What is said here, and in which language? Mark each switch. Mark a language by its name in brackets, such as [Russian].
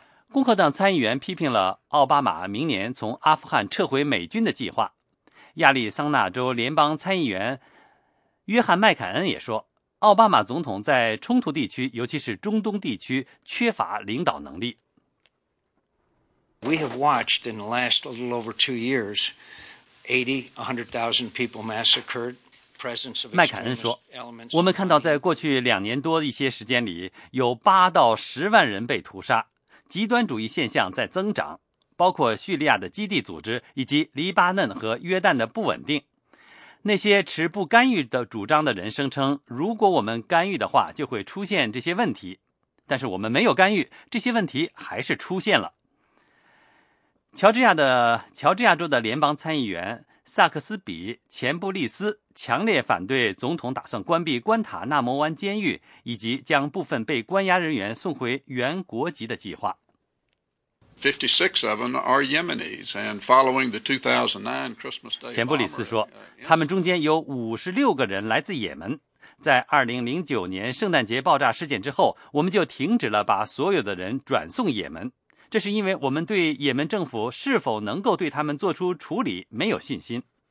[Chinese] 共和党参议员批评了奥巴马明年从阿富汗撤回美军的计划。亚利桑那州联邦参议员约翰·麦凯恩也说，奥巴马总统在冲突地区，尤其是中东地区，缺乏领导能力。 [English] We have watched in the last a little over 2 years, 80,000 people massacred, presence of. [Chinese] 麦凯恩说，我们看到在过去2年多的一些时间里，有8-10万人被屠杀，极端主义现象在增长，包括叙利亚的基地组织以及黎巴嫩和约旦的不稳定。那些持不干预的主张的人声称，如果我们干预的话，就会出现这些问题。但是我们没有干预，这些问题还是出现了。乔治亚州的联邦参议员萨克斯比·钱布利斯强烈反对总统打算关闭关塔纳摩湾监狱，以及将部分被关押人员送回原国籍的计划。 [English] 56 of them are Yemenis, and following the 2009 Christmas Day. [Chinese] 钱布里斯说，他们中间有56个人来自也门。在2009年圣诞节爆炸事件之后，我们就停止了把所有的人转送也门。这是因为我们对也门政府是否能够对他们做出处理没有信心。